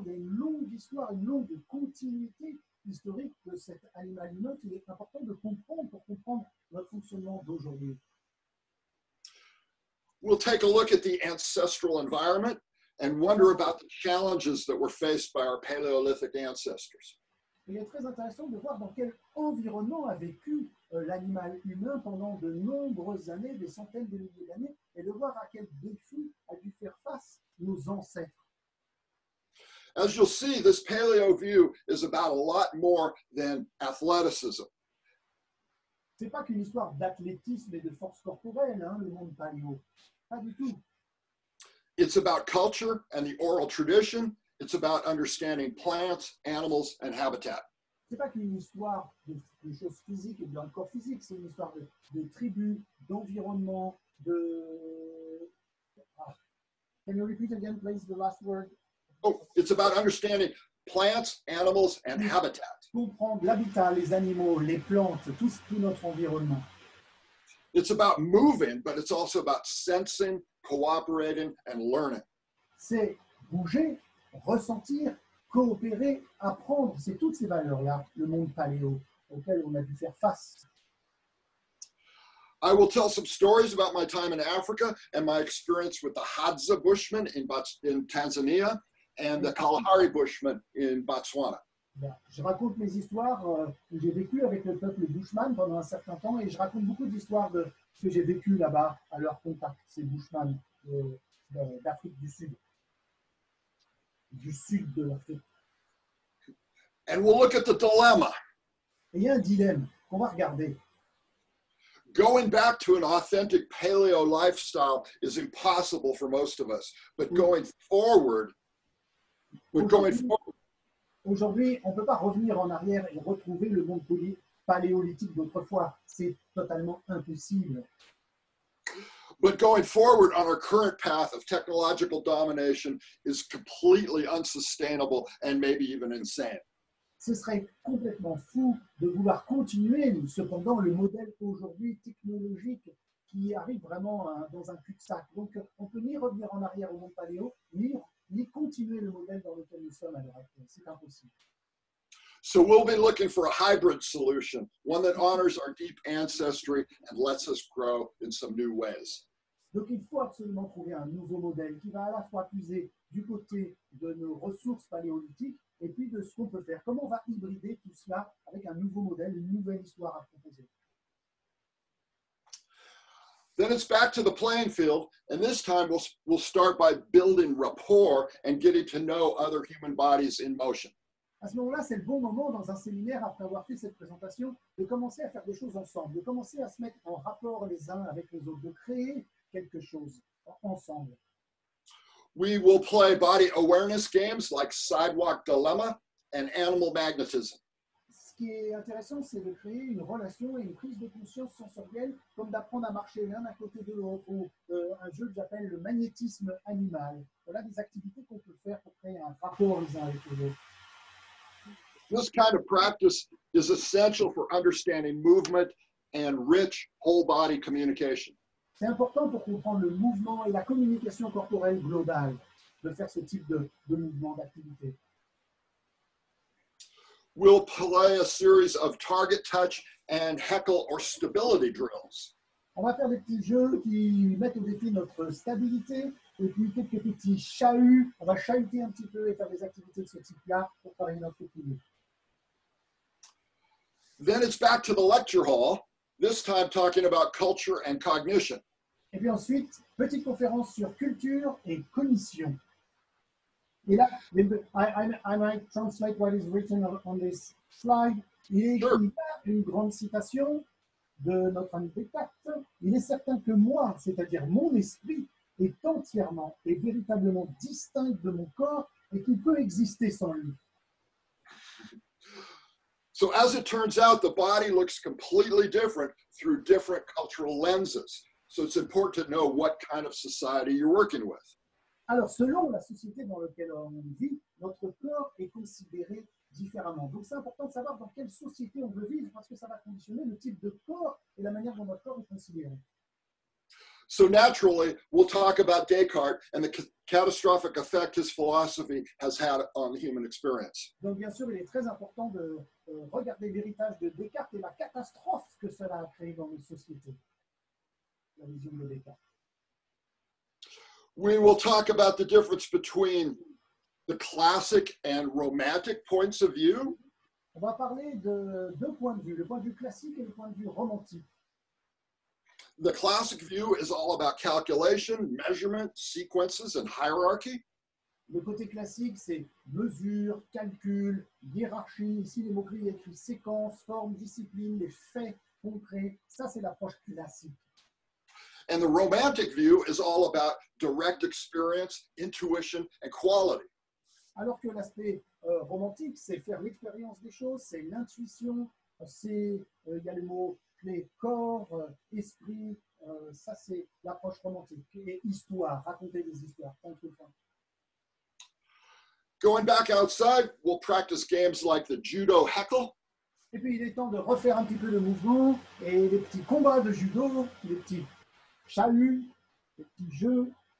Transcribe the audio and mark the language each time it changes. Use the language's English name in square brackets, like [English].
[French] Il y a une longue histoire, une longue continuité historique de cet animal humain qu'il est important de comprendre pour comprendre notre fonctionnement d'aujourd'hui. [English] We'll take a look at the ancestral environment and wonder about the challenges that were faced by our Paleolithic ancestors. [French] Il est très intéressant de voir dans quel environnement a vécu l'animal humain pendant de nombreuses années, des centaines de milliers d'années, et de voir à quel défi a dû faire face nos ancêtres. [English] As you'll see, this paleo view is about a lot more than athleticism. [French] Ce n'est pas qu'une histoire d'athlétisme et de force corporelle, hein, le monde paléo. Pas du tout. [English] It's about culture and the oral tradition. It's about understanding plants, animals, and habitat. [French] C'est pas qu'une histoire de choses physiques et de corps physique, c'est une histoire de tribus, d'environnement, de... [English] Can you repeat again, please, the last word? Oh, it's about understanding plants, animals, and habitat. [French] Comprendre l'habitat, les animaux, les plantes, tout notre environnement. [English] It's about moving, but it's also about sensing, cooperating, and learning. [French] C'est bouger, ressentir, coopérer, apprendre, c'est toutes ces valeurs-là, le monde paléo auquel on a dû faire face. [English] I will tell some stories about my time in Africa and my experience with the Hadza Bushmen in Tanzania and the Kalahari Bushmen in Botswana. [French] Je raconte mes histoires que j'ai vécues avec le peuple Bushman pendant un certain temps et je raconte beaucoup d'histoires de ce que j'ai vécu là-bas à leur contact, ces Bushman d'Afrique du Sud. Du sud de l'Afrique. [English] And we'll look at the dilemma. [French] Et il y a un dilemme qu'on va regarder. [English] Going back to an authentic paleo lifestyle is impossible for most of us, but going forward, [French] Aujourd'hui, on ne peut pas revenir en arrière et retrouver le monde paléolithique d'autrefois. C'est totalement impossible. [English] But going forward on our current path of technological domination is completely unsustainable and maybe even insane. [French] Ce serait complètement fou de vouloir continuer, cependant, le modèle aujourd'hui technologique qui arrive vraiment dans un cul-de-sac. Donc, on ne peut ni revenir en arrière au monde paléo, ni continuer le modèle dans lequel nous sommes à l'heure actuelle. C'est impossible. [English] So we'll be looking for a hybrid solution, one that honors our deep ancestry and lets us grow in some new ways. [French] Donc il faut absolument trouver un nouveau modèle qui va à la fois puiser du côté de nos ressources paléolithiques et puis de ce qu'on peut faire. Comment on va hybrider tout cela avec un nouveau modèle, une nouvelle histoire à proposer? [English] Then it's back to the playing field, and this time we'll start by building rapport and getting to know other human bodies in motion. [French] À ce moment-là, c'est le bon moment, dans un séminaire, après avoir fait cette présentation, de commencer à faire des choses ensemble, de commencer à se mettre en rapport les uns avec les autres, de créer quelque chose ensemble. [English] We will play body awareness games like Sidewalk Dilemma and Animal Magnetism. [French] ce qui est intéressant, c'est de créer une relation et une prise de conscience sensorielle, comme d'apprendre à marcher l'un à côté de l'autre, ou un jeu que j'appelle le magnétisme animal. Voilà des activités qu'on peut faire pour créer un rapport les uns avec les autres. [English] This kind of practice is essential for understanding movement and rich whole body communication. [French] C'est important pour comprendre le mouvement et la communication corporelle globale de faire ce type de mouvement d'activité. [English] We'll play a series of target touch and heckle or stability drills. [French] On va faire des petits jeux qui mettent au défi notre stabilité et puis quelques petits chahuts. On va chahuter un petit peu et faire des activités de ce type-là pour travailler notre équilibre. [English] Then it's back to the lecture hall, this time talking about culture and cognition. [French] Et puis ensuite, petite conférence sur culture et cognition. Et là, [English] I might translate what is written on this slide. [French] Il est écrit là une grande citation de notre ami Descartes. Il est certain que moi, c'est-à-dire mon esprit, est entièrement et véritablement distinct de mon corps et qu'il peut exister sans lui. [English] So as it turns out, the body looks completely different through different cultural lenses. So it's important to know what kind of society you're working with. [French] Alors, selon la société dans laquelle on vit, notre corps est considéré différemment. Donc, c'est important de savoir dans quelle société on veut vivre parce que ça va conditionner le type de corps et la manière dont notre corps est considéré. [English] So naturally, we'll talk about Descartes and the catastrophic effect his philosophy has had on the human experience. [French] Donc, bien sûr, il est très important de regarder l'héritage de Descartes et la catastrophe que cela a créé dans notre société, la vision de Descartes. [English] We will talk about the difference between the classic and romantic points of view. [French] On va parler de deux points de vue, le point de vue classique et le point de vue romantique. [English] The classic view is all about calculation, measurement, sequences, and hierarchy. [French] Le côté classique, c'est mesure, calcul, hiérarchie. Ici, les mots clés écrits séquence, forme, discipline, les faits concrets. Ça, c'est l'approche classique. [English] And the romantic view is all about direct experience, intuition, and quality. [French] Alors que l'aspect romantique, c'est faire l'expérience des choses, c'est l'intuition, c'est, y a le mot clé, corps, esprit, ça c'est l'approche romantique. Et histoire, raconter des histoires, point de fin. [English] Going back outside, we'll practice games like the judo heckle. [French] Et puis il est temps de refaire un petit peu le mouvement et les petits combats de judo, les petits chahuts, les petits jeux.